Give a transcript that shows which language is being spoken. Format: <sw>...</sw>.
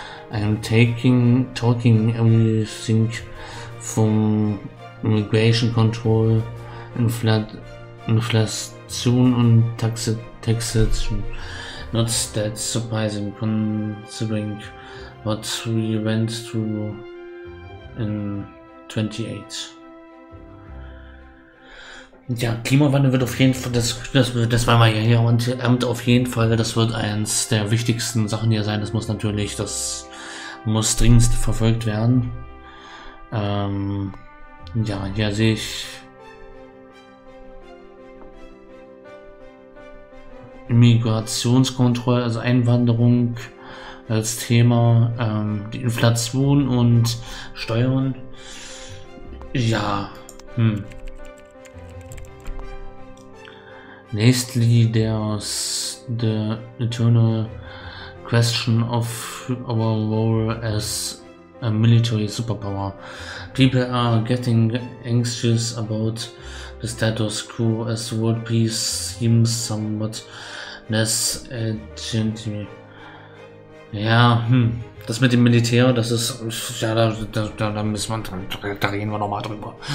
<en>I am talking everything from immigration control, inflation and taxation. Not that surprising considering what we went through in 28.</en> <de>Ja, Klimawandel wird auf jeden Fall, das war mal ja hier, und auf jeden Fall, das wird eins der wichtigsten Sachen hier sein. Das muss dringend verfolgt werden. Ja, hier sehe ich. Migrationskontrolle, also Einwanderung als Thema, die Inflation und Steuern.</de> <en>Ja, Nächstly, there's the eternal question of our role as a military superpower. People are getting anxious about the status quo as world peace seems somewhat less urgent.</en> <de>Ja, das mit dem Militär, das ist, ja, da müssen wir, da reden wir nochmal drüber.</de>